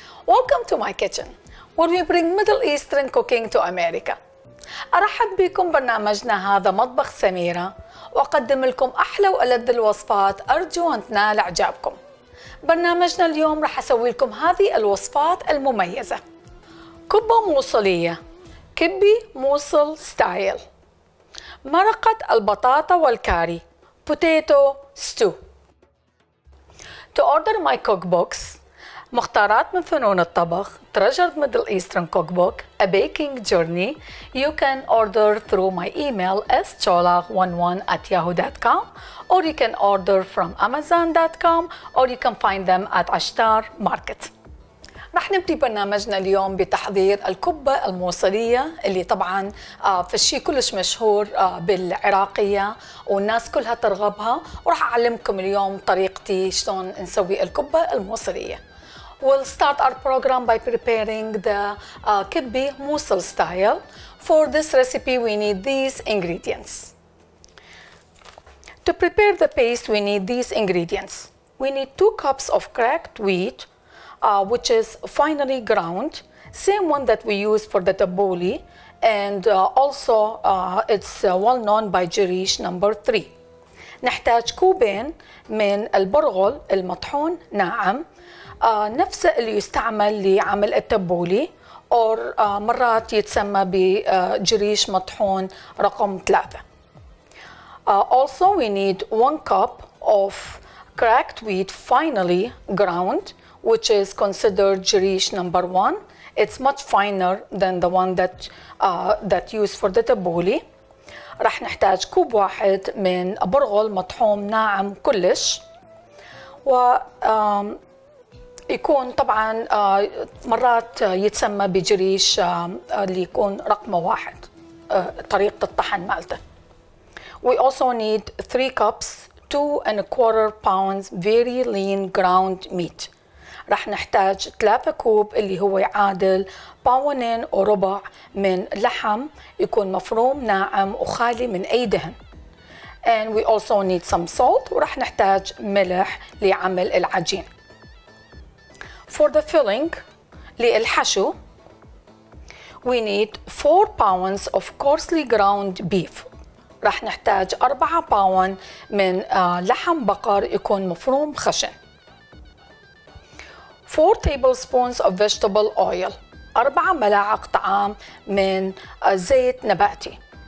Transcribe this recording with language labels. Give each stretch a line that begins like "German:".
English: Welcome to my kitchen, where we bring Middle Eastern cooking to America.
Arabic: أرحب بكم برنامجنا هذا مطبخ سميرة وأقدم لكم أحلى وألذ الوصفات أرجو أن تنال إعجابكم. برنامجنا اليوم رح أسوي لكم هذه الوصفات المميزة. كبة موصلية، كبي موصل ستايل، مرقة البطاطا والكاري،
English: potato stew. To order my cookbooks, مختارات من فنون الطبخ, Treasured Middle Eastern Cookbook, A Baking Journey, you can order through my email scholag11@yahoo.com or you can order from amazon.com or you can find them at Ashtar Market.
Arabic: رح نبدي برنامجنا اليوم بتحضير الكبة الموصلية اللي طبعاً في الشيء كلش مشهور بالعراقية والناس كلها ترغبها, ورح أعلمكم اليوم طريقتي شلون نسوي الكبة الموصلية.
English: We'll start our program by preparing the kibbe Mosul style. For this recipe, we need these ingredients. To prepare the paste, we need these ingredients. We need 2 cups of cracked wheat, which is finely ground, same one that we use for the tabbouleh, and also it's well known by Jerish number 3.
Arabic: نحتاج كوبين من البرغل المطحون ناعم, نفسه اللي يستعمل لعمل التبولي أو مرات يتسمى بجريش مطحون رقم 3.
English: Also we need 1 cup of cracked wheat finely ground, which is considered جريش number 1. It's much finer than the one that used for the tabbouleh.
Arabic: رح نحتاج كوب واحد من برغل مطحون ناعم كلش, و يكون طبعا مرات يتسمى بجريش اللي يكون رقمه 1, طريقة الطحن مالته.
English: We also need 3 cups 2¼ pounds very lean ground meat.
Arabic: رح نحتاج 3 كوب اللي هو يعادل باونين وربع من لحم يكون مفروم ناعم وخالي من أي دهن.
English: And we also need some salt,
Arabic: ورح نحتاج ملح لعمل العجين.
English: For the filling, للحشو, we need 4 pounds of coarsely ground beef.
Arabic: رح نحتاج 4 pounds من لحم بقر يكون مفروم خشن.
English: 4 tablespoons of vegetable oil,
Arabic: 4 ملاعق طعام من زيت نباتي.